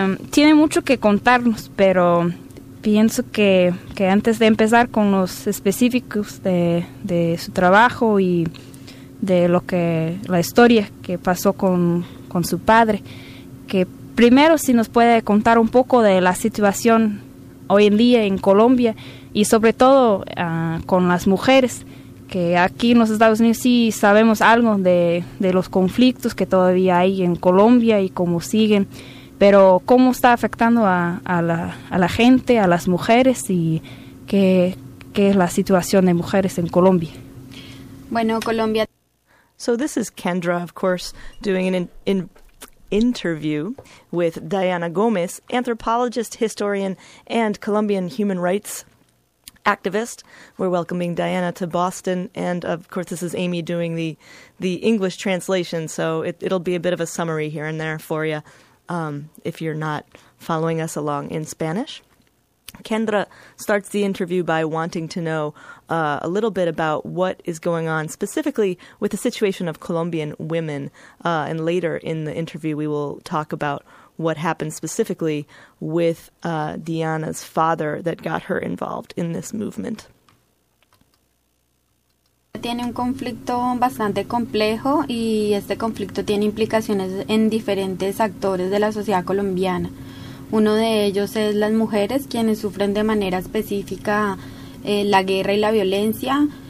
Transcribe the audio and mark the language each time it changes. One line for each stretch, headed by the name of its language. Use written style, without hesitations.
Spanish: Tiene mucho que contarnos, pero pienso que antes de empezar con los específicos de su trabajo y de lo que la historia que pasó con su padre, que primero si nos puede contar un poco de la situación hoy en día en Colombia y sobre todo con las mujeres, que aquí en los Estados Unidos sí sabemos algo de los conflictos que todavía hay en Colombia y cómo siguen. Pero, ¿cómo está afectando a la gente, a las mujeres, y qué es la situación de mujeres en Colombia? Bueno, Colombia.
English: So this is Kendra, of course, doing an interview with Diana Gomez, anthropologist, historian, and Colombian human rights activist. We're welcoming Diana to Boston, and of course, this is Amy doing the English translation, so it'll be a bit of a summary here and there for you. If you're not following us along in Spanish. Kendra starts the interview by wanting to know a little bit about what is going on specifically with the situation of Colombian women. And later in the interview, we will talk about what happened specifically with Diana's father that got her involved in this movement.
Spanish: Tiene un conflicto bastante complejo y este conflicto tiene implicaciones en diferentes actores de la sociedad colombiana. Uno de ellos es las mujeres, quienes sufren de manera específica la guerra y la violencia.